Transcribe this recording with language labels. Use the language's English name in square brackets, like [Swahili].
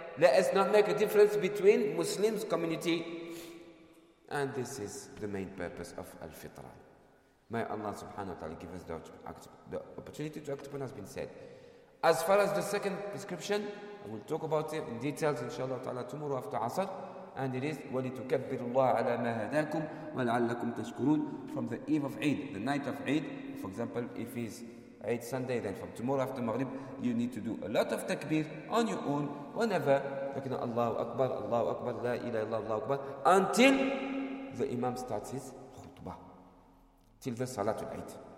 [English] Let us not make a difference between Muslims community. And this is the main purpose of Al-Fitra. May Allah subhanahu wa ta'ala give us the opportunity to act upon has been said. As far as the second prescription, I will talk about it in details inshallah ta'ala tomorrow after Asr. And it is [Arabic] وَلِتُكَبِّرُ اللَّهَ عَلَى مَا هَدَاكُمْ وَلَعَلَّكُمْ تَشْكُرُونَ. [English] From the eve of Eid, the night of Eid, for example, if it's Eid Sunday, then from tomorrow after Maghrib, you need to do a lot of takbir on your own, whenever, like, [Arabic] Allahu Akbar, Allahu Akbar, [English] La ilaha illallah, Allahu Akbar, until the Imam starts his khutbah, till the Salatul Eid.